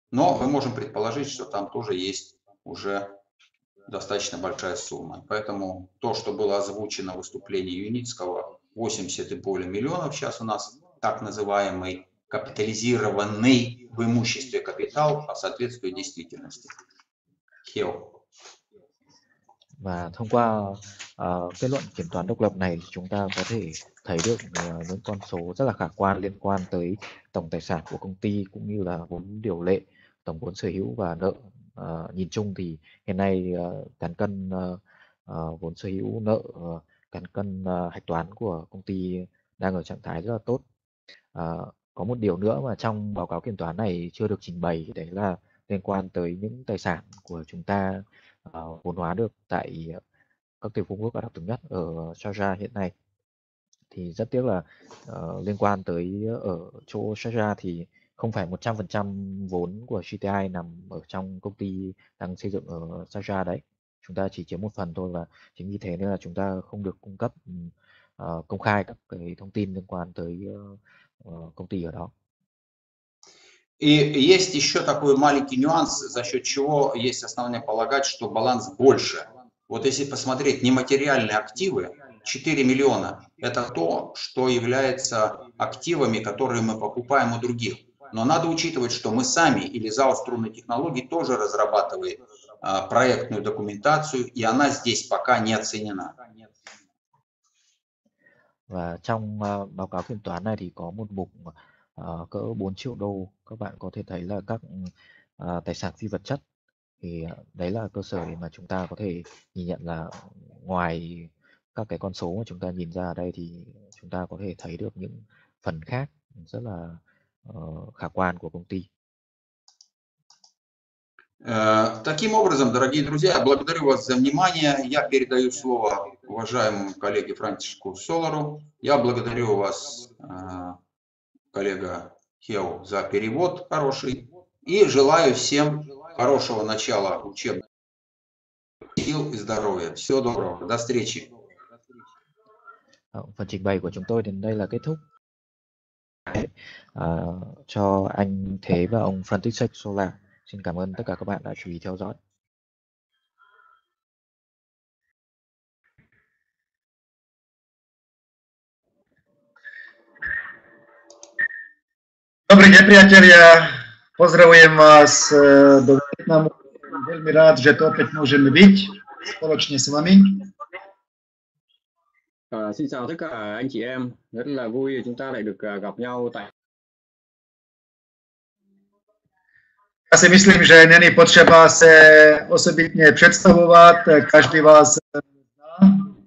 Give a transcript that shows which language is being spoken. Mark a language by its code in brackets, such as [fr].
[ru] Но мы можем предположить, что там тоже есть уже достаточно большая сумма. Поэтому то, что было озвучено в выступлении Юницкого, 80 и более миллионов сейчас у нас так называемый капитализированный в имуществе капитал, а соответствует действительности. Хео. [vi] Và thông qua kết luận kiểm toán độc lập này, chúng ta có thể thấy được những con số rất là khả quan liên quan tới tổng tài sản của công ty cũng như là vốn điều lệ, tổng vốn sở hữu và nợ. Nhìn chung thì hiện nay cán cân vốn sở hữu, nợ, cán cân hạch toán của công ty đang ở trạng thái rất là tốt. Có một điều nữa mà trong báo cáo kiểm toán này chưa được trình bày, đấy là liên quan tới những tài sản của chúng ta vốn hóa được tại các tiểu vương quốc Ả Rập Thống Nhất ở Sharjah hiện nay. Thì rất tiếc là liên quan tới ở chỗ Sharjah thì không phải 100% vốn của GTI nằm ở trong công ty đang xây dựng ở Sharjah đấy. Chúng ta chỉ chiếm một phần thôi, và chính vì thế nên là chúng ta không được cung cấp công khai các cái thông tin liên quan tới công ty ở đó. [ru] И есть еще такой маленький нюанс, за счет чего есть основание полагать, что баланс больше. Вот если посмотреть нематериальные активы, 4 миллиона, это то, что является активами, которые мы покупаем у других. Но надо учитывать, что мы сами, или ЗАО «Струнные технологии» тоже разрабатывает проектную документацию, и она здесь пока не оценена. [vi] Và trong báo cáo kiểm toán này thì có một mục cỡ 4 triệu đô, các bạn có thể thấy là các tài sản phi vật chất. Thì đấy là cơ sở để mà chúng ta có thể nhìn nhận là ngoài các cái con số mà chúng ta nhìn ra ở đây thì chúng ta có thể thấy được những phần khác rất là khả quan của công ty. [ru] Таким образом, дорогие друзья, я благодарю вас за внимание. Я передаю слово уважаемому коллеге Франциску Солору. Я благодарю вас, коллега Хео, за перевод хороший. И желаю всем хорошего начала учебных сил и здоровья. Всего доброго. До встречи. [vi] Phần trình bày của chúng tôi đến đây là kết thúc. Cho anh Thế và ông Francisco Sola. Xin cảm ơn tất cả các bạn đã chú ý theo dõi. [sk] Dobrý deň, priatelia. Pozdravujem vás do Vietnamu. Veľmi rád, že tu opäť môžeme byť spoločne s vami. [vi] Xin chào tất cả anh chị em. Rất là vui chúng ta lại được gặp nhau tại [cs] Ja si myslím, že není potřeba se osobitně představovat, každý vás zná.